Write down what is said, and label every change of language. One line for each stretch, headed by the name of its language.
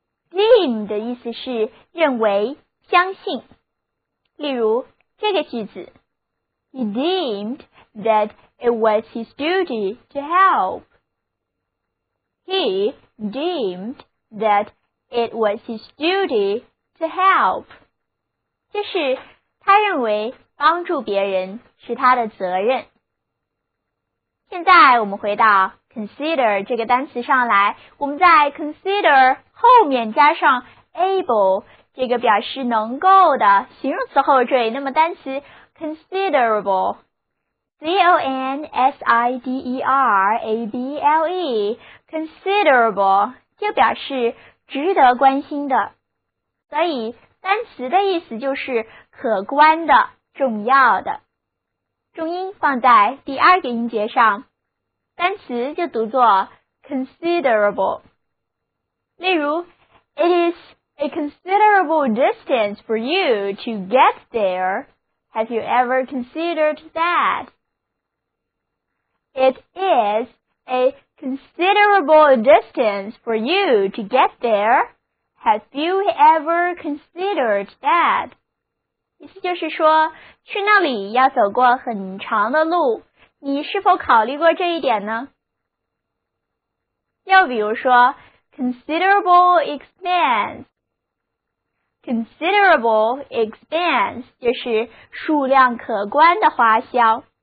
Chinese: Deem 的意思是认为、相信。例如这个句子
English: He deemed that it was his duty to help. He deemed that it was his duty to help.
Chinese: 就是他认为帮助别人是他的责任。现在我们回到 consider 这个单词上来，我们在 consider 后面加上 able 这个表示能够的形容词后缀，那么单词 considerable C-O-N-S-I-D-E-R-A-B-L-E considerable 就表示值得关心的，所以单词的意思就是可观的、重要的。重音放在第二个音节上，单词就读作 considerable。例如
English: ，It is a considerable distance for you to get there. Have you ever considered that? It is a considerable distance for you to get there. Have you ever considered that?
Chinese: 意思就是说，去那里要走过很长的路，你是否考虑过这一点呢？又比如说Considerable expense. Considerable expense 就是数量可观的花销。